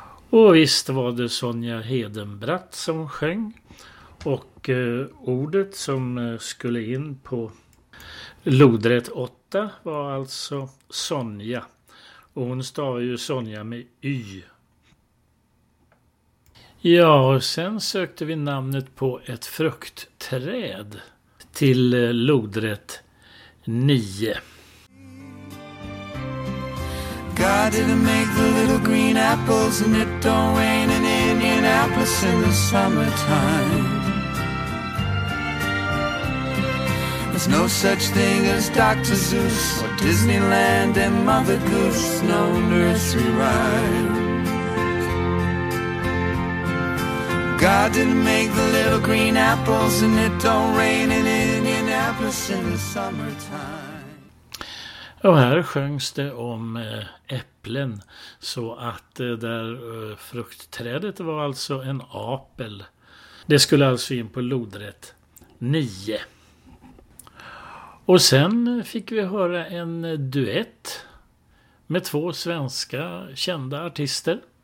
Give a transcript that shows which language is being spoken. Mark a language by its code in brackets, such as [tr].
[sv] Och visst var det Sonja Hedenbratt som sjöng, och ordet som skulle in på lodrätt 8 var alltså Sonja, och hon stavar ju Sonja med Y. Ja, och sen sökte vi namnet på ett fruktträd till lodrätt 9. [en] God didn't make the little green apples, and it don't rain in Indianapolis in the summertime. There's no such thing as Dr. Seuss or Disneyland and Mother Goose, no nursery rhyme. God didn't make the little green apples, and it don't rain in Indianapolis in the summertime. [sv] Och här sjöngs det om äpplen, så att där fruktträdet var alltså en apel. Det skulle alltså in på lodrätt 9. Och sen fick vi höra en duett med två svenska kända artister.